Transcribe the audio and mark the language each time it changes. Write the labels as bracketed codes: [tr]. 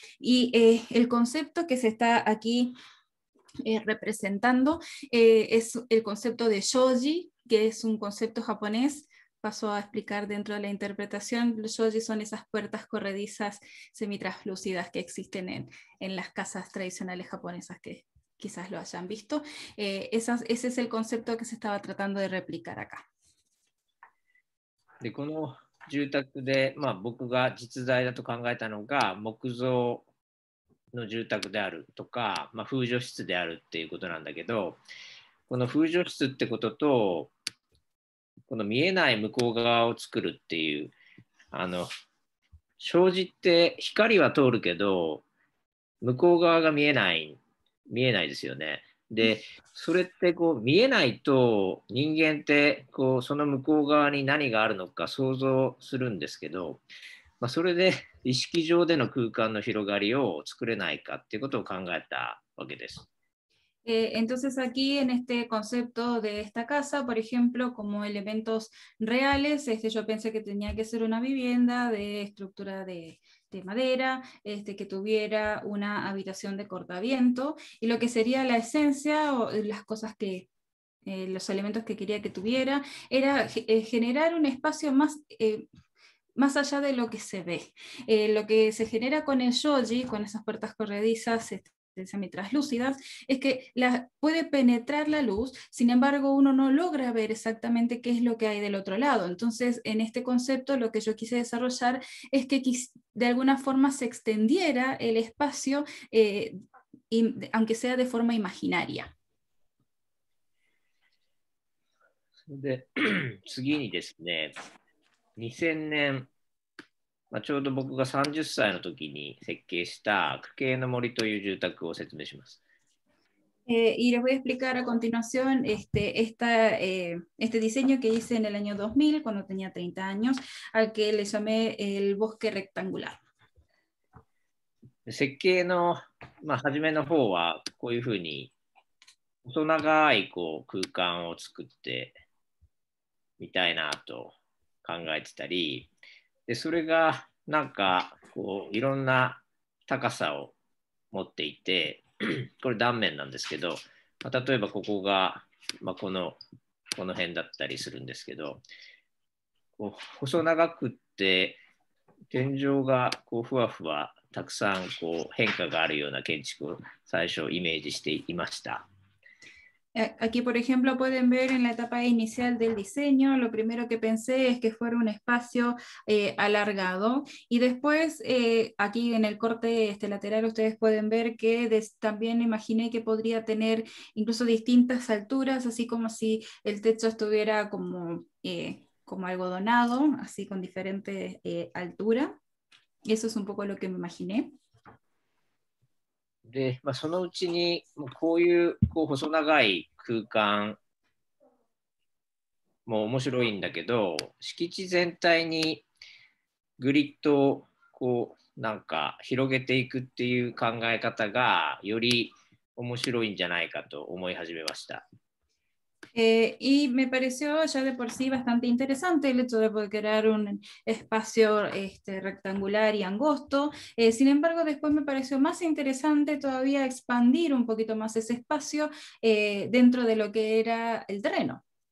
[es] Y el concepto que se está aquí representando es el concepto de shoji, que es un concepto japonés pasó a explicar dentro de la interpretación, los shoji son esas puertas corredizas semitraslúcidas que existen en las casas tradicionales japonesas que quizás lo hayan visto. Ese es el concepto que se estaba tratando de replicar acá. [ja] De この住宅で、まあ、僕が実在だと考えたのが木造の住宅であるとか、まあ、風除室であるっていうことなんだけど、この風除室ってこととこの見えない向こう側を作るっていう、あの障子って光は通るけど向こう側が見えない、見えないですよね。でそれってこう見えないと人間ってこうその向こう側に何があるのか想像するんですけど、まあ、それで意識上での空間の広がりを作れないかっていうことを考えたわけです。 [es] Entonces aquí en este concepto de esta casa, por ejemplo, como elementos reales, yo pensé que tenía que ser una vivienda de estructura de madera, que tuviera una habitación de cortaviento, y lo que sería la esencia o las cosas que, los elementos que quería que tuviera, era generar un espacio más... más allá de lo que se ve. Lo que se genera con el shoji, con esas puertas corredizas semitraslúcidas, es que puede penetrar la luz, sin embargo uno no logra ver exactamente qué es lo que hay del otro lado. Entonces, en este concepto lo que yo quise desarrollar es que de alguna forma se extendiera el espacio, aunque sea de forma imaginaria. [ja] De, 次にですね。 2000年、まあ、ちょうど僕が30歳の時に設計した区形の森という住宅を説明します。 [es] Y les voy a explicar a continuación este diseño que hice en el año 2000 cuando tenía 30 años, al que le llamé el bosque rectangular. [ja] 設計の、まあ、初めの方はこういうふうに細長いこう空間を作ってみたいなと。考えてたり、でそれがなんかこういろんな高さを持っていて、これ断面なんですけど、まあ、例えばここが、まあ、この辺だったりするんですけど、こう細長くって天井がこうふわふわたくさんこう変化があるような建築を最初イメージしていました。 [es] Aquí, por ejemplo, pueden ver en la etapa inicial del diseño, lo primero que pensé es que fuera un espacio alargado. Y después, aquí en el corte lateral, ustedes pueden ver que también imaginé que podría tener incluso distintas alturas, así como si el techo estuviera como, como algodonado, así con diferente altura. Eso es un poco lo que me imaginé. [ja] でまあ、そのうちにこういう、こう細長い空間も面白いんだけど敷地全体にグリッドをこうなんか広げていくっていう考え方がより面白いんじゃないかと思い始めました。 [es] Y me pareció ya de por sí bastante interesante el hecho de poder crear un espacio rectangular y angosto. Sin embargo, después me pareció más interesante todavía expandir un poquito más ese espacio dentro de lo que era el terreno.